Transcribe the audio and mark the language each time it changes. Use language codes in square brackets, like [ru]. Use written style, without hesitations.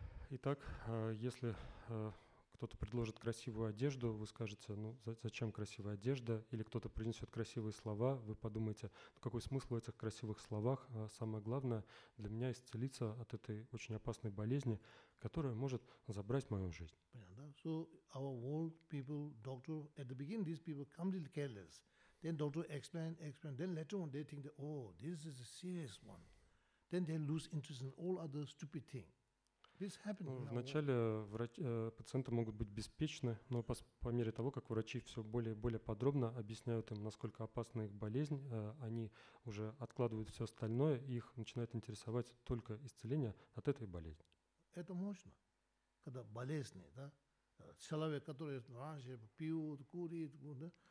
[ru] Итак, если кто-то предложит красивую одежду, вы скажете, ну зачем красивая одежда? Или кто-то принесет красивые слова, вы подумаете, ну, какой смысл в этих красивых словах? А самое главное для меня исцелиться от этой очень опасной болезни, которая может забрать мою жизнь. Понятно. [en] So our world people, doctor, at the beginning these people come a little careless. Then doctor explain. Then later on they think that, oh, this is a serious one. Then they lose interest in all other stupid things. [ru] Вначале пациенты могут быть беспечны, но по мере того, как врачи все более и более подробно объясняют им, насколько опасна их болезнь, они уже откладывают все остальное, и их начинает интересовать только исцеление от этой болезни. Это можно, когда болезни, да? Человек, который раньше пьет, курит, да?